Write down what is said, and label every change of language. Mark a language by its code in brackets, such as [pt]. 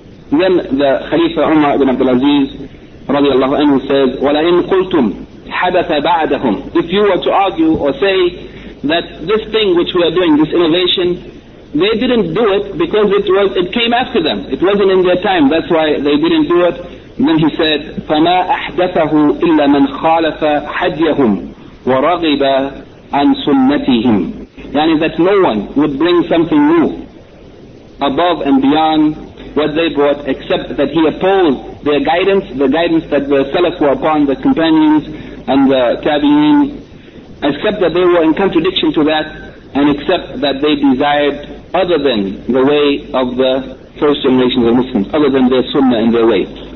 [en] Then the Khalifa Umar ibn Abdul Aziz radiallahu anhu says, [ar] وَلَئِنْ قُلْتُمْ حَدَثَ بَعْدَهُمْ. [en] If you were to argue or say that this thing which we are doing, this innovation, they didn't do it because it came after them. It wasn't in their time. That's why they didn't do it. And then he said, [ar] فَمَا أَحْدَثَهُ إِلَّا مَنْ خَالَفَ حَدْيَهُمْ وَرَغِبَ عَنْ سُنَّتِهِمْ. [en] Yani that no one would bring something new above and beyond what they brought, except that he opposed their guidance, the guidance that the Salaf were upon, the companions and the tabi'in, except that they were in contradiction to that, and except that they desired other than the way of the first generation of the Muslims, other than their sunnah and their way.